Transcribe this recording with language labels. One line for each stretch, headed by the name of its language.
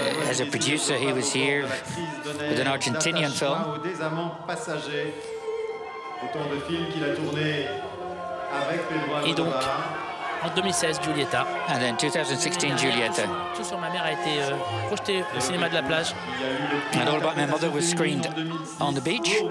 English: As a producer, he was here with an Argentinian film.
French: Autant de films qu'il a tourné avec Pedro Almodovar. Et donc, en 2016, Julieta.
English: And then 2016, Julieta.
French: Tout sur ma mère a été projeté au cinéma de la plage.
English: And All About My Mother was screened on the beach.